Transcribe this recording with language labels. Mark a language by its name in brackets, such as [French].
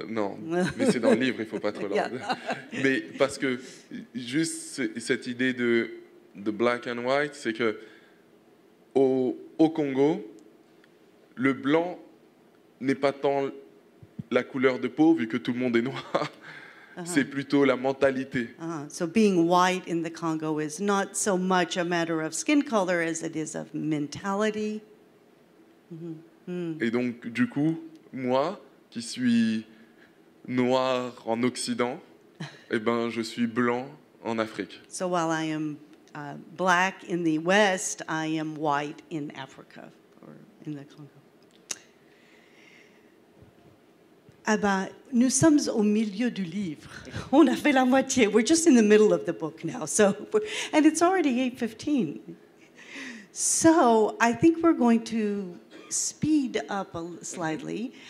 [French] Non, mais c'est dans le livre, il ne faut pas trop l'ordre. [English] Yeah. [French] Mais parce que juste cette idée de [English] black and white, [French] c'est que au Congo... Le blanc n'est pas tant la couleur de peau, vu que tout le monde est noir. Uh-huh. C'est plutôt la mentalité. [English] So being white in the Congo is not so much a matter of skin color as it is of mentality. [French] Et donc, du coup, moi, qui suis noir en Occident, je suis blanc en Afrique. [English] So while I am black in the West, I am white in Africa, or in the Congo. [French] Ah ben, nous sommes au milieu du livre. On a fait la moitié. [English] We're just in the middle of the book now. So, and it's already 8:15. So I think we're going to speed up slightly.